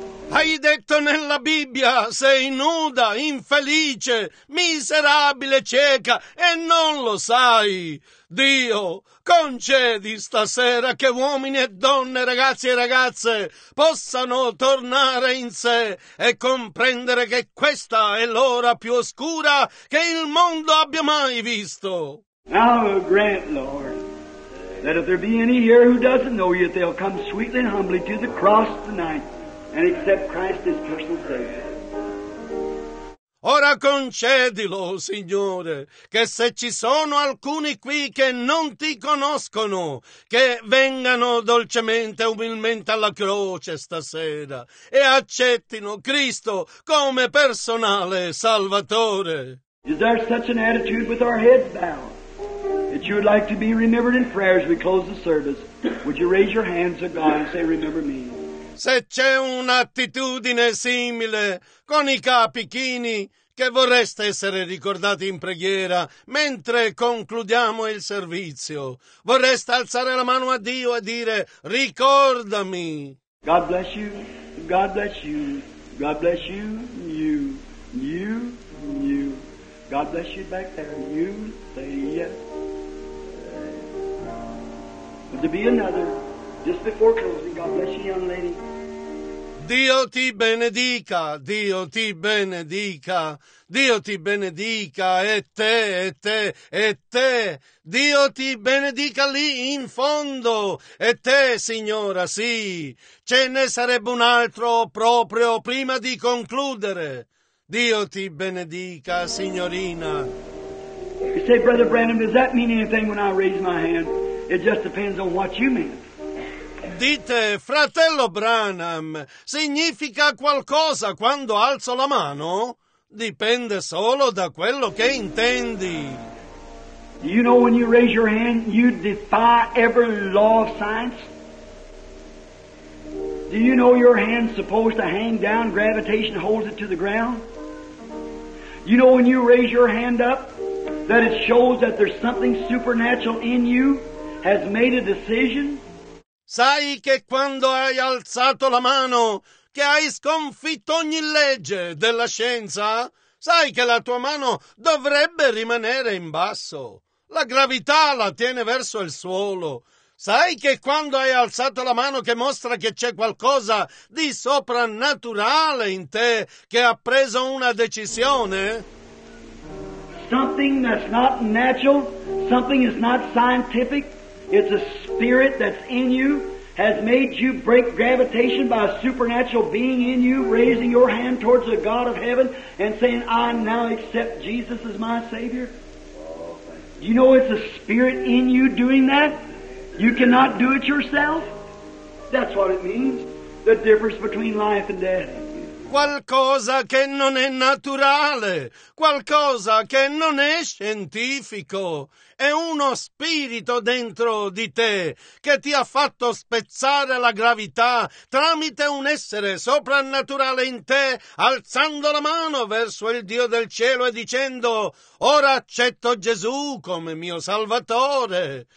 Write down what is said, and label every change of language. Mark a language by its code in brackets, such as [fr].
[it] Hai detto nella Bibbia, sei nuda, infelice, miserabile, cieca, e non lo sai. Dio, concedi stasera che uomini e donne, ragazzi e ragazze, possano tornare in sé e comprendere che questa è l'ora più oscura che il mondo abbia mai visto. [en] Now grant, Lord, that if there be any here who doesn't know you, they'll come sweetly and humbly to the cross tonight and accept Christ as personal Savior. [it] Ora concedilo, Signore, che se ci sono alcuni qui che non ti conoscono, che vengano dolcemente, umilmente alla croce stasera e accettino Cristo come personale Salvatore. [en] Is there such an attitude with our heads bowed that you would like to be remembered in prayer as we close the service? Would you raise your hands to God and say, remember me? [it] Se c'è un'attitudine simile con i capi chini che vorreste essere ricordati in preghiera mentre concludiamo il servizio, vorreste alzare la mano a Dio e dire ricordami. [en] God bless you, God bless you, God bless you, you, you, you. God bless you back there, you, say yes. But to be another, just before closing, God bless you, young lady. [it] Dio ti benedica, Dio ti benedica, Dio ti benedica, e te, e te, e te, Dio ti benedica lì in fondo, e te, signora, sì, ce ne sarebbe un altro proprio prima di concludere. Dio ti benedica, signorina. [en] You say, Brother Branham, does that mean anything when I raise my hand? It just depends on what you mean. [it] Dite, fratello Branham, significa qualcosa quando alzo la mano? Dipende solo da quello che intendi. [en] Do you know when you raise your hand, you defy every law of science? Do you know your hand's supposed to hang down, gravitation holds it to the ground? You know when you raise your hand up, that it shows that there's something supernatural in you, has made a decision? [it] Sai che quando hai alzato la mano, che hai sconfitto ogni legge della scienza, sai che la tua mano dovrebbe rimanere in basso. La gravità la tiene verso il suolo. Sai che quando hai alzato la mano che mostra che c'è qualcosa di soprannaturale in te, che ha preso una decisione? [en] Something that's not natural, something is not scientific. It's a spirit that's in you, has made you break gravitation by a supernatural being in you, raising your hand towards the God of heaven and saying, I now accept Jesus as my Savior. You know it's the Spirit in you doing that? You cannot do it yourself? That's what it means. The difference between life and death. [it] Qualcosa che non è naturale, qualcosa che non è scientifico, è uno spirito dentro di te che ti ha fatto spezzare la gravità tramite un essere soprannaturale in te, alzando la mano verso il Dio del cielo e dicendo: ora accetto Gesù come mio Salvatore.